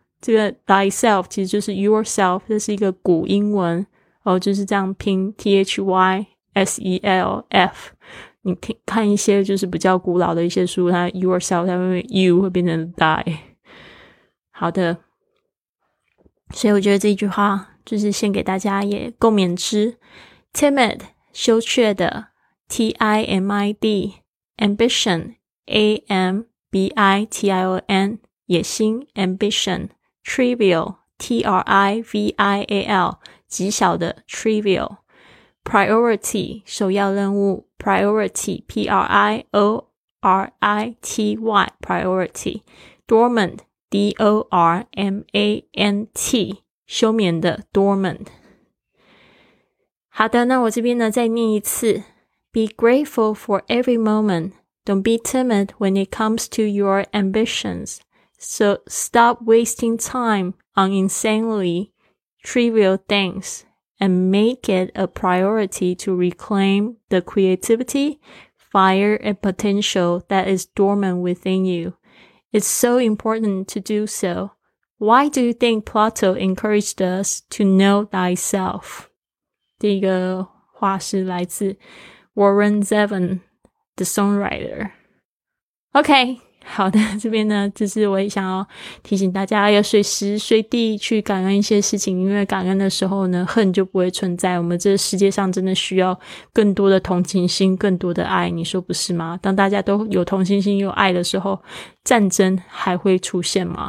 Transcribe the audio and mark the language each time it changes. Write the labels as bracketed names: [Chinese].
[Chinese] 这个 thyself 其实就是 yourself， 这是一个古英文就是这样拼 thyself。你看一些就是比较古老的一些书，它 yourself 它会 you 会变成 die。 好的，所以我觉得这句话就是献给大家也共勉之。 [English] Timid [Chinese] 羞怯的 [English] T-I-M-I-D Ambition A-M-B-I-T-I-O-N [Chinese] 野心 [English] Ambition Trivial T-R-I-V-I-A-L [Chinese] 极小的 [English] Trivial Priority [Chinese] 首要任务 [English] Priority P-R-I-O-R-I-T-Y Priority Dormant D-O-R-M-A-N-T [Chinese] 休眠的 [English] Dormant。 [Chinese] 好的，那我这边呢再念一次。 [English] Be grateful for every moment. Don't be timid when it comes to your ambitions. So stop wasting time on insanely trivial things and make it a priority to reclaim the creativity, fire and potential that is dormant within you. It's so important to do so. Why do you think Plato encouraged us to know thyself? [Chinese] 第一个话是来自 Warren Zevon, [English] the songwriter. [Chinese] OK, 好的，这边呢，就是我也想要提醒大家要随时随地去感恩一些事情，因为感恩的时候呢，恨就不会存在。我们这世界上真的需要更多的同情心，更多的爱，你说不是吗？当大家都有同情心又爱的时候，战争还会出现吗？